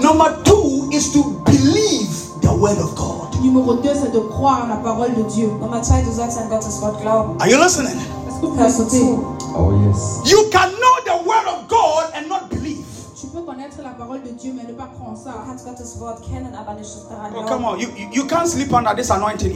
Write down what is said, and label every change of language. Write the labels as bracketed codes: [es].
[en] Number 2 is to believe the word of God. [fr] Numéro 2 c'est de croire la parole de Dieu. [en] Number 3 is to accept God's word. Are you listening? [fr] Est-ce que vous écoutez? [en] Oh yes. You can know the word of God and not believe. Oh, come on, you can't sleep under this anointing.